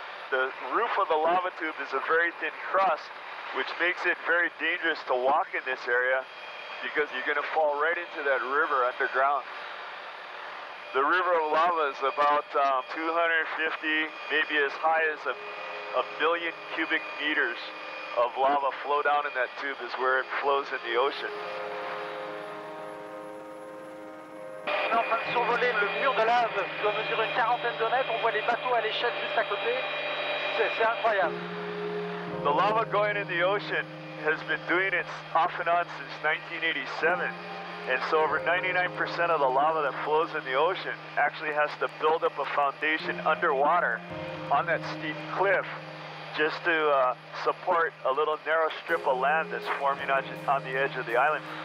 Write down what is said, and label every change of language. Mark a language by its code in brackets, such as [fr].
[en] The roof of the lava tube is a very thin crust, which makes it very dangerous to walk in this area because you're going to fall right into that river underground. The river of lava is about 250, maybe as high as a billion cubic meters of lava flow down in that tube is where it flows in the ocean. [fr] On est en train de survoler le mur de lave qui doit mesurer une quarantaine de mètres. On voit les bateaux à l'échelle juste à côté. C'est incroyable. [en] The lava going in the ocean has been doing it off and on since 1987. And so over 99% of the lava that flows in the ocean actually has to build up a foundation underwater on that steep cliff just to support a little narrow strip of land that's forming on the edge of the island.